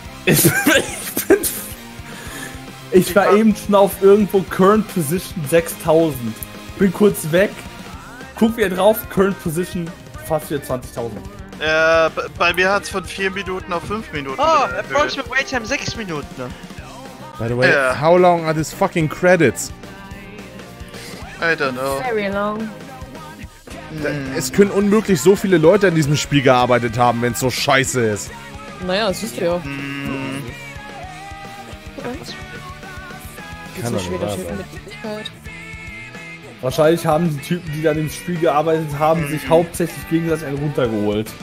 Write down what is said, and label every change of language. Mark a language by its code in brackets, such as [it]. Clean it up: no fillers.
[de] Ich war eben schon auf irgendwo Current Position 6000. Bin kurz weg. Guck wieder drauf, Current Position fast wieder 20.000. Bei mir hat es von 4 Minuten auf 5 Minuten. Oh, Approximate Wait Time 6 Minuten. [en] By the way, how long are these fucking credits? I don't know. Very long. [de] Es können unmöglich so viele Leute an diesem Spiel gearbeitet haben, wenn es so scheiße ist. Naja, das wisst ihr ja. Kann doch wahr sein. Wahrscheinlich haben die Typen, die an dem Spiel gearbeitet haben, sich hauptsächlich gegenseitig einen runtergeholt.